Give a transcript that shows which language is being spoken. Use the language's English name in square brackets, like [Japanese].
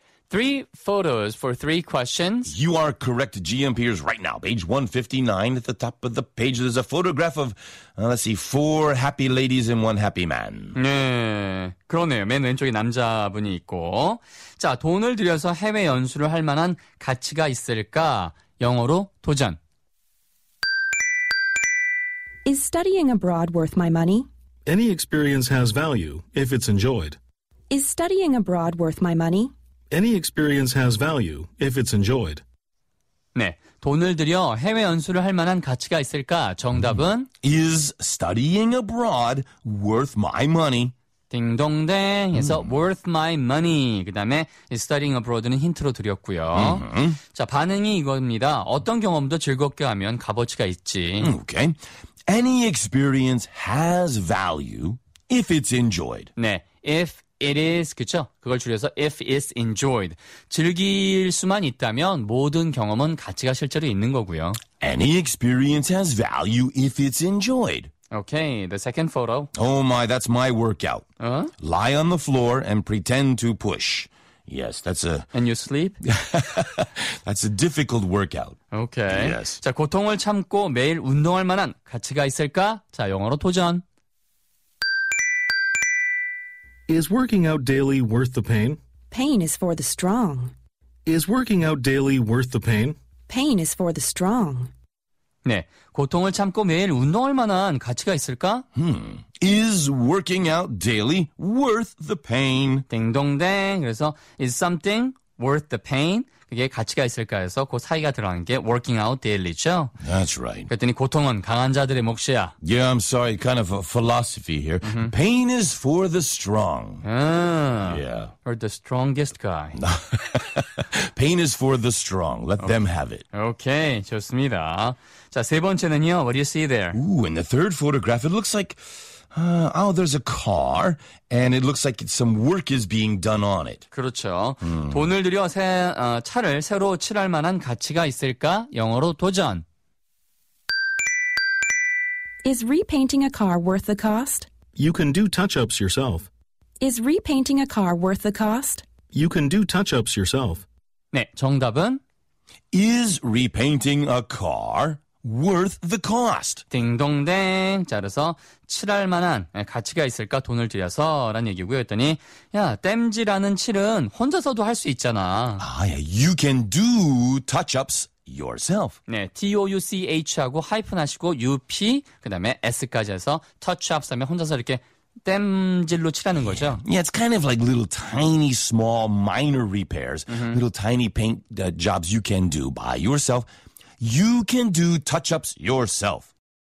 [English] three photos for three questions. You are correct, GMPers, right now. Page 159 at the top of the page. There's a photograph of, let's see, four happy ladies and one happy man. [Korean] 네, 그러네요. 맨 왼쪽에 남자분이 있고. 자, 돈을 들여서 해외 연수를 할 만한 가치가 있을까? 영어로 도전. [English] Is studying abroad worth my money? Any experience has value if it's enjoyed. Is studying abroad worth my money? Any experience has value if it's enjoyed. [Korean] 네, 돈을 들여 해외 연수를 할 만한 가치가 있을까? 정답은 [English] Is studying abroad worth my money? [Korean] 딩동댕에서 [English] worth my money. [Korean] 그 다음에 [English] Is studying abroad [Korean] 는 힌트로 드렸고요. Mm-hmm. 자, 반응이 이겁니다. 어떤 경험도 즐겁게 하면 값어치가 있지. [English] Okay. Any experience has value if it's enjoyed. [Korean] 네, [English] if it is, [Korean] 그쵸? 그걸 줄여서 if it's enjoyed. 즐길 수만 있다면 모든 경험은 가치가 실제로 있는 거고요. [English] Any experience has value if it's enjoyed. Okay, the second photo. Oh my, that's my workout. Lie on the floor and pretend to push. Yes, that's a... And you sleep? That's a difficult workout. Okay. Yes. [Korean] 자, 고통을 참고 매일 운동할 만한 가치가 있을까? 자, 영어로 도전. [English] Is working out daily worth the pain? Pain is for the strong. Is working out daily worth the pain? Pain is for the strong. [Korean] 네, 고통을 참고 매일 운동할 만한 가치가 있을까? [English] Is working out daily worth the pain? [Korean] 딩동댕. 그래서 [English] is something worth the pain? [Korean] 그게 가치가 있을까 해서 그 사이가 들어간 게 working out daily죠. [English] That's right. 그랬더니 고통은 강한 자들의 몫이야. Yeah, I'm sorry. Kind of a philosophy here. Mm-hmm. Pain is for the strong. Yeah. Or the strongest guy. Pain is for the strong. Let them have it. Okay, [Korean] 좋습니다. 자, 세 번째는요. [English] What do you see there? Ooh, in the third photograph, it looks like... there's a car, and it looks like some work is being done on it. [Korean] 그렇죠. 돈을 들여 차를 새로 칠할 만한 가치가 있을까? 영어로 도전. [English] Is repainting a car worth the cost? You can do touch-ups yourself. Is repainting a car worth the cost? You can do touch-ups yourself. [Korean] 네, 정답은? [English] Is repainting a car... worth the cost. [Korean] 딩동댕. 자, 그래서 칠할 만한 가치가 있을까 돈을 들여서 라는 얘기고요. 했더니 야, 땜질하는 칠은 혼자서도 할 수 있잖아. [English] 아, yeah. You can do touch-ups yourself. [Korean] 네, touch하고 하이픈 하시고 up 그다음에 s까지 해서 [English] touch-ups [Korean] 하면 혼자서 이렇게 땜질로 칠하는 거죠. [English] Yeah, it's kind of like little tiny small minor repairs. Mm-hmm. Little tiny paint jobs you can do by yourself. You can do touch-ups yourself.